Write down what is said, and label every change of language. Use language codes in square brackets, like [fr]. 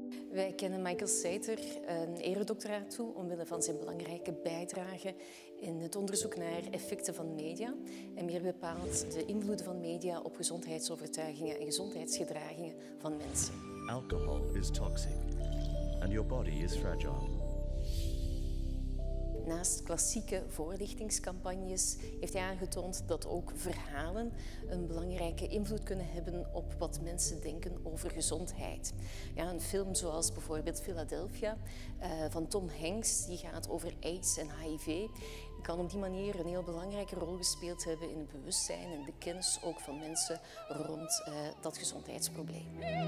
[nl] Wij kennen Michael Slater, een eredoctoraat toe, omwille van zijn belangrijke bijdrage in het onderzoek naar effecten van media en meer bepaald de invloeden van media op gezondheidsovertuigingen en gezondheidsgedragingen van mensen. [en] Alcohol is toxic and your body is fragile. [nl] Naast klassieke voorlichtingscampagnes heeft hij aangetoond dat ook verhalen een belangrijke invloed kunnen hebben op wat mensen denken over gezondheid. Ja, een film zoals bijvoorbeeld Philadelphia van Tom Hanks, die gaat over AIDS en HIV, kan op die manier een heel belangrijke rol gespeeld hebben in het bewustzijn en de kennis ook van mensen rond dat gezondheidsprobleem.